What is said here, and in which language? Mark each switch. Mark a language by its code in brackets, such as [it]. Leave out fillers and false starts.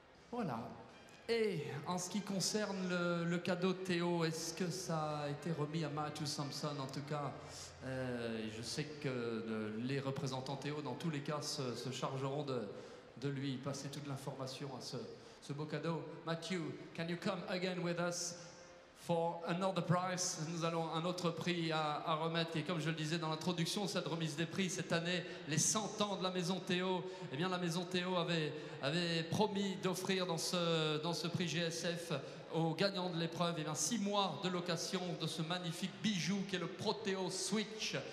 [fr] Voilà. Et en ce qui concerne le cadeau de Théo, est-ce que ça a été remis à Matthew Sampson? En tout cas, je sais que les représentants Théo, dans tous les cas, se chargeront de lui passer toute l'information à ce beau cadeau. [en] Matthew, can you come again with us? For another prize, [fr] nous allons un autre prix à remettre. Et comme je le disais dans l'introduction, cette remise des prix cette année, les 100 ans de la Maison Théo. Eh bien, la Maison Théo avait promis d'offrir dans ce prix GSF aux gagnants de l'épreuve, eh bien, 6 mois de location de ce magnifique bijou qui est le Proteo Switch.